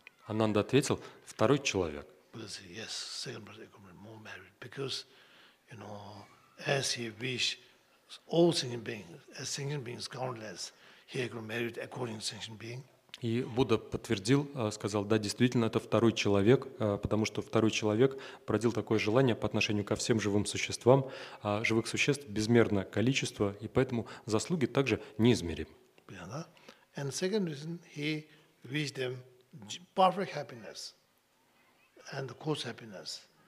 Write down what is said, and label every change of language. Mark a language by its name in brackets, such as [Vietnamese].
[Russian] Ананда ответил, второй человек. [English] Buddha said, yes, second person accumulated more merit, because, you know, as he wished, all sentient beings, as sentient beings countless, he accumulated merit according to sentient being. [Russian] И Будда подтвердил, сказал, да, действительно, это второй человек, потому что второй человек породил такое желание по отношению ко всем живым существам, а живых существ безмерное количество, и поэтому заслуги также неизмеримы. [English] And second reason, he wished them perfect happiness and cause happiness.